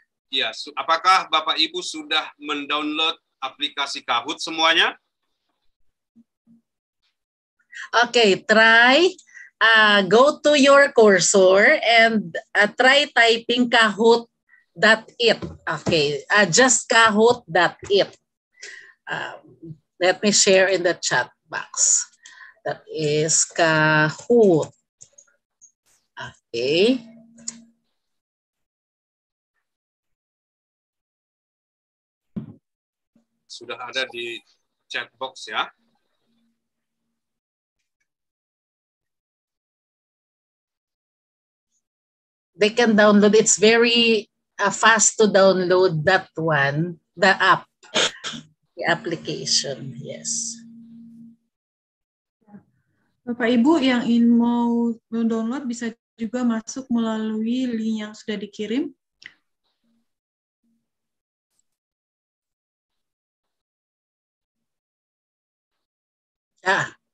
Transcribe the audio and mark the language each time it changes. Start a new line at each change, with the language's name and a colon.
Indonesian: Yes, apakah Bapak Ibu sudah mendownload aplikasi Kahoot semuanya?
English: Okay, try go to your cursor and try typing kahoot.it. Okay, just kahoot.it. Let me share in the chat box. That is Kahoot. Okay.
Indonesian: Sudah ada di chat box ya.
English: They can download. It's very fast to download that one, the app, the application. Yes.
Indonesian: Bapak Ibu yang ingin mau download bisa juga masuk melalui link yang sudah dikirim. Ya.